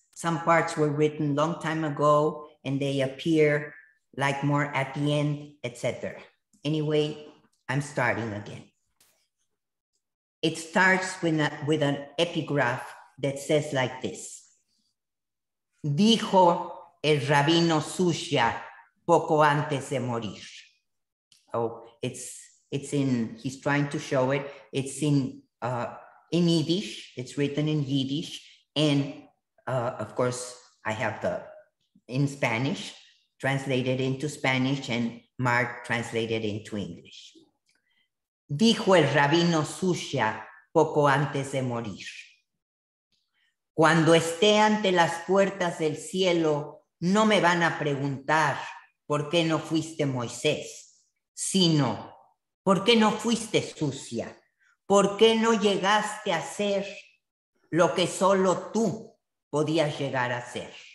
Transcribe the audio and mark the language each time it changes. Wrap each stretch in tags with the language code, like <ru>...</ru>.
<en>Some parts were written long time ago and they appear like more at the end, etc. Anyway, I'm starting again. It starts with an epigraph that says like this.</en> <es>Dijo el rabino Sushia poco antes de morir.</es> <en>Oh, he's trying to show it. It's in Yiddish, it's written in Yiddish, and of course, I have the in Spanish, translated into Spanish, and Mark translated into English.</en> <es>Dijo el rabino Sushia poco antes de morir. Cuando esté ante las puertas del cielo, no me van a preguntar por qué no fuiste Moisés, sino por qué no fuiste Sushia, por qué no llegaste a ser lo que solo tú podías llegar a ser.</es>